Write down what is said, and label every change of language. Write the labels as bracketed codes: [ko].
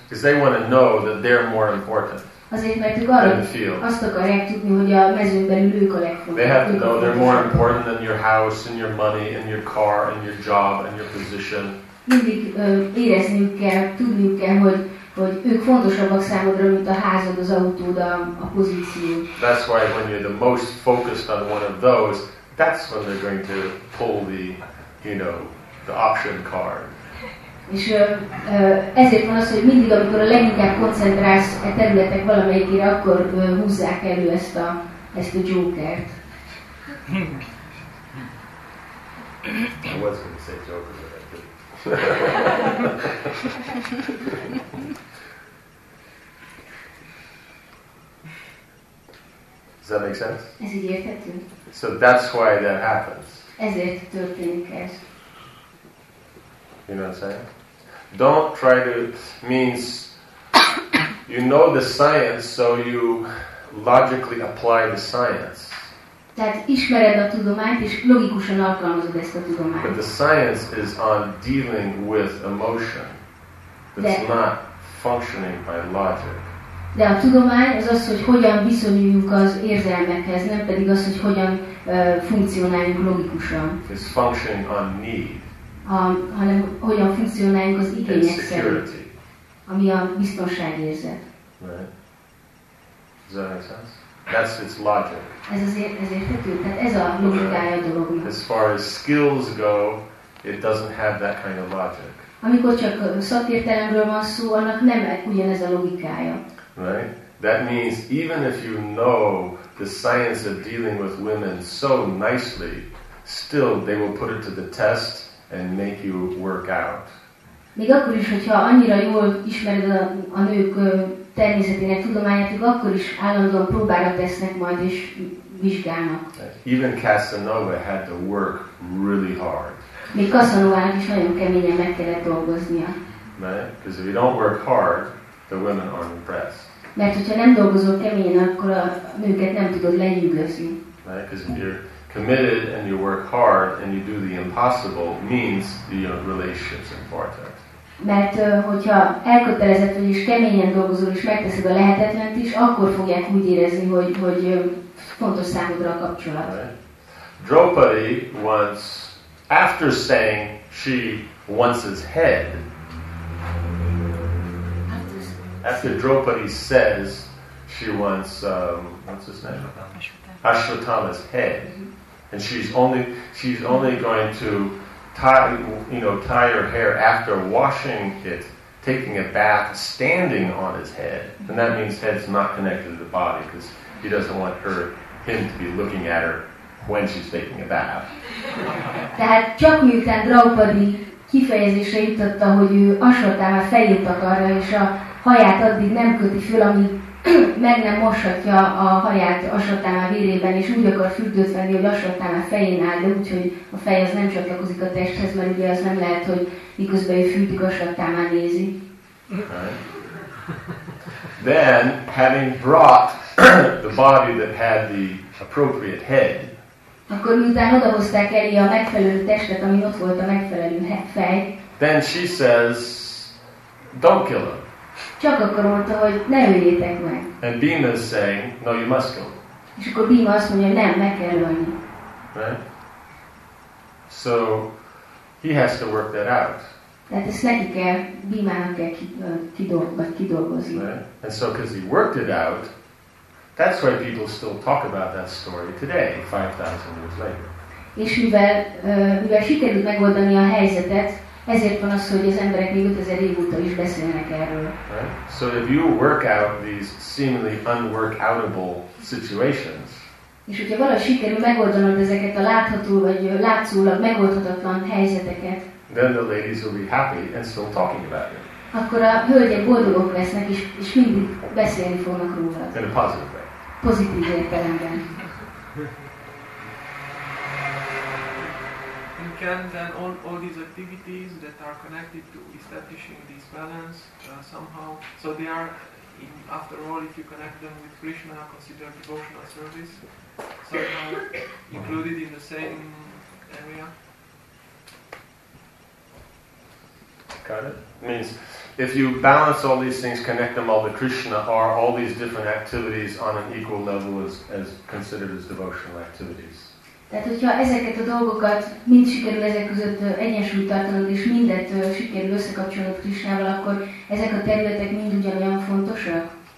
[en] Because they want to know that they're more important. [hu] Azért, mert ők arra azt akarják tudni, hogy a mezőn belül ők a legfontosabbak. [en] They have to know they're more important than your house and your money and your car and your job and your position. [hu] Mindig érezniük kell, tudniuk kell, hogy ők fontosabbak számodra, mint a házad, az autód, a pozíció. [en] That's why when you're the most focused on one of those, that's when they're going to pull the option card. [hu] És ezért van az, hogy mindig, amikor a leginkább koncentrálsz a területek valamelyikére, akkor húzzák elő ezt a jokert. [en] I was going to say joker, but I didn't. Does that make sense? [hu] Ez így érthető. [en] So that's why that happens. [hu] Ezért történik ez. [en] You know what I'm saying? Don't try to, means you know the science, so you logically apply the science. [hu] Tehát ismered a tudományt, és logikusan alkalmazod ezt a tudományt. [en] But the science is on dealing with emotion. It's not functioning by logic. [hu] De a tudomány az, hogy hogyan viszonyuljunk az érzelmekhez, nem pedig az, hogy hogyan funkcionáljunk logikusan. [en] It's functioning on need. [hu] Hanem hogyan funkcionáljunk az igények szerint, ami a biztonság érzet. [en] Right. Does that make sense? That's its logic. [hu] Ez a logikája a dolognak. [en] As far as skills go, it doesn't have that kind of logic. [hu] Amikor csak szakértelemről van szó, annak nem ugyanez a logikája. [en] Right. That means even if you know the science of dealing with women so nicely, still they will put it to the test and make you work out. [hu] Még akkor is, hogyha annyira jól ismered a nők természetének tudományát, akkor is állandóan próbára tesznek majd és vizsgálnak. [en] Even Casanova had to work really hard. [hu] Még Casanovának is nagyon keményen meg kellett dolgoznia. [en] Right? Because if you don't work hard, the women aren't impressed. [hu] Mert hogyha nem dolgozol keményen, akkor a nőket nem tudod lenyűgözni. [en] Right? Because if you're committed and you work hard and you do the impossible means your relationship's important. [hu] Mert hogyha elkötelezett vagy és keményen dolgozol és megteszed a lehetetlent is, akkor fogják úgy érezni, hogy fontos számodra a kapcsolat. [en] Right. Draupadi once, after saying she wants his head, after Draupadi says she wants what's his name? Ashwatthama's head. And she's only going to tie her hair after washing it, taking a bath, standing on his head. And that means head's not connected to the body because he doesn't want her him to be looking at her when she's taking a bath. [hu] Tehát csak miután Draupadi kifejezésre jutotta, hogy ő asratává fejét akarja, és a haját addig nem köti föl, amíg meg nem moshatja a haját asratává vérében, és úgy akar fürdőt venni, hogy asratává fején áll, de úgyhogy a fej az nem csatlakozik a testhez, mert ugye az nem lehet, hogy miközben ő fürdik, asratává nézi. [en] Then, having brought the body that had the appropriate head, [hu] akkor miután odahozták Eli a megfelelő testet, ami ott volt a megfelelő fej, [en] then she says, don't kill him. [hu] Csak akkor mondta, hogy ne öljétek meg. [en] And Bhima is saying, no, you must kill him. [hu] És akkor Bhima azt mondja, nem, meg kell ölni. [en] Right? So, he has to work that out. [hu] Tehát ezt neki kell, Bhimának kell kidolgozni. [en] Right? And so, because he worked it out, that's why people still talk about that story today, 5,000 years later. [hu] És mivel sikerült megoldani a helyzetet, ezért van az, hogy az emberek még 5000 év óta is beszélnek erről. [en] Right? So if you work out these seemingly unworkoutable situations, [hu] és hogyha valahogy sikerül megoldanod ezeket a látható vagy látszólag megoldhatatlan helyzeteket, [en] then the ladies will be happy and still talking about it. [hu] Akkor a hölgyek boldogok lesznek, és mindig beszélni fognak róla. [en] In a positive way. [hu] Pozitív értelemben. [en] And can then all these activities that are connected to establishing this balance somehow, so they are, in, after all, if you connect them with Krishna, considered devotional service, somehow included in the same area? Got it? Means if you balance all these things, connect them all to Krishna, are all these different activities on an equal level as considered as devotional activities? [hu] Tehát, hogyha ezeket a dolgokat mind sikerül ezek között egyensúlyt tartanod, és mindet sikerül összekapcsolod Krisnával, akkor ezek a területek mind ugyanolyan fontosak?